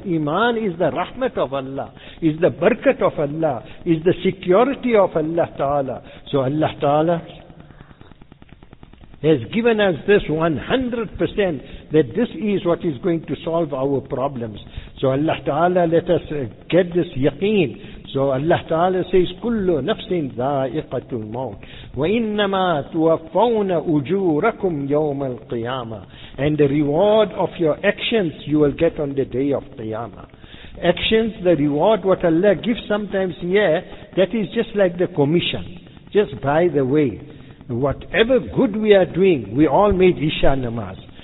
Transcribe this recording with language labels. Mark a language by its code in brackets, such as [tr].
[en] Iman is the rahmat of Allah, is the barakat of Allah, is the security of Allah Ta'ala. So Allah Ta'ala has given us this 100% that this is what is going to solve our problems. So Allah Ta'ala, let us get this yaqeen. So Allah Ta'ala says, [ar] كُلُّ نَفْسٍ ذَائِقَةُ الْمَوْتِ وَإِنَّمَا تُوَفَّوْنَ أُجُورَكُمْ يَوْمَ الْقِيَامَةِ. [en] And the reward of your actions you will get on the day of Qiyamah. Actions, the reward, what Allah gives sometimes, yeah, that is just like the commission. Just by the way, whatever good we are doing, we all made Isha Namaz.